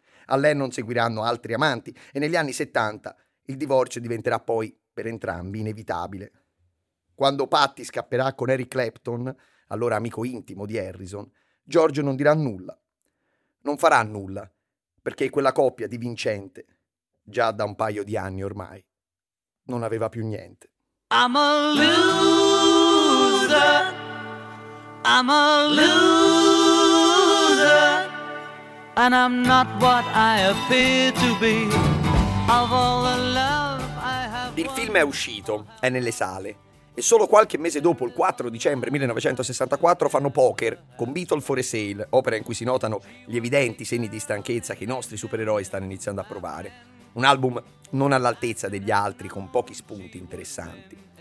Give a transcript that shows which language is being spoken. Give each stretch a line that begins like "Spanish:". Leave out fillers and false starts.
Italian: A Lennon seguiranno altri amanti e negli anni 70 il divorzio diventerà poi, per entrambi, inevitabile. Quando Patty scapperà con Eric Clapton, allora amico intimo di Harrison, George non dirà nulla. Non farà nulla, perché quella coppia di vincente, già da un paio di anni ormai, non aveva più niente.
English: I'm a loser, I'm a loser, and I'm not what I appear to be. Of all the love I have.
Italian: Il film è uscito, è nelle sale. E solo qualche mese dopo, il 4 dicembre 1964, fanno Poker con Beatles for a Sale, opera in cui si notano gli evidenti segni di stanchezza che i nostri supereroi stanno iniziando a provare. Un album non all'altezza degli altri, con pochi spunti interessanti.